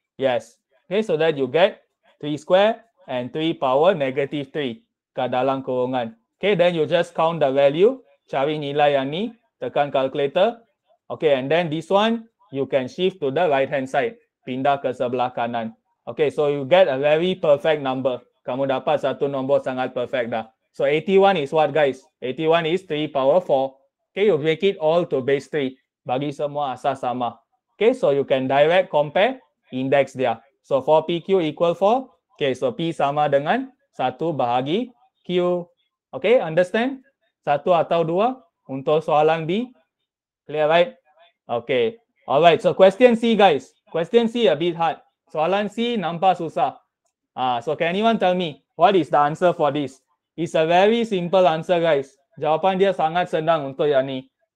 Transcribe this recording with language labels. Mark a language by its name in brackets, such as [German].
[English] Yes. Okay, so that you get 3 square and 3 power negative 3 [Malay] kat dalam kurungan. [English] Okay, then you just count the value. [Malay] Cari nilai yang ni. [English] Tekan calculator. Okay, and then this one, you can shift to the right-hand side. [Malay] Pindah ke sebelah kanan. [English] Okay, so you get a very perfect number. [Malay] Kamu dapat satu nombor sangat perfect dah. [English] So 81 is what, guys? 81 is 3 power 4. Okay, you make it all to base 3. [Malay] Bagi semua asas sama. [English] Okay, so you can direct compare index dia. So 4PQ equal 4. [Malay] Okay, so P sama dengan 1 bahagi Q. [English] Okay, understand? [Malay] 1 atau 2 untuk soalan B. [English] Clear, right? Okay. Alright, so question C, guys. Question C a bit hard. [Malay] Soalan C nampak susah. [English] So can anyone tell me what is the answer for this? It's a very simple answer, guys. [Malay] Jawapan dia sangat senang untuk yang ni.